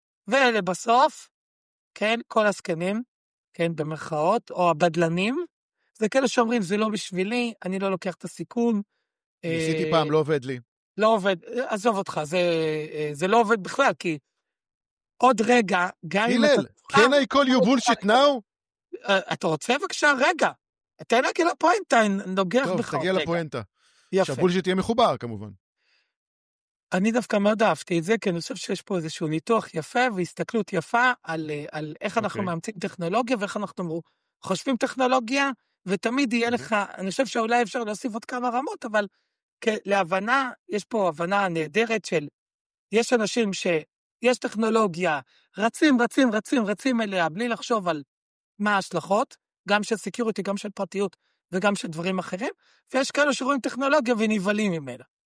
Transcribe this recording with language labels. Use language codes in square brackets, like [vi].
[he] ולבסוף, כן, כל הסקנים, כן, במרכאות, או הבדלנים, זה כאלה שאומרים, זה לא בשבילי, אני לא לוקח את הסיכון. ניסיתי פעם, לא עובד לי. לא עובד, עזוב אותך, זה לא עובד בכלל, כי עוד רגע, גם אם אתה... [en] הילל, can I call you bullshit now? [he] אתה רוצה, בבקשה, רגע. תן לי לפואנטה, נוגח בך עוד רגע. טוב, תגיע לפואנטה. שהבולשיט יהיה מחובר, כמובן. אני דווקא מאוד אהבתי את זה, כי אני חושב שיש פה איזשהו ניתוח יפה והסתכלות יפה על איך אנחנו מאמצים טכנולוגיה ואיך אנחנו חושבים טכנולוגיה, ותמיד יהיה לך, אני חושב שאולי אפשר להוסיף עוד כמה רמות, אבל להבנה, יש פה הבנה נהדרת של, יש אנשים שיש טכנולוגיה, רצים, רצים, רצים, רצים אליה, בלי לחשוב על מה ההשלכות, גם של סקיורטי, גם של פרטיות, וגם של דברים אחרים, ויש כאלה שרואים טכנולוגיה ונבלים ממנה.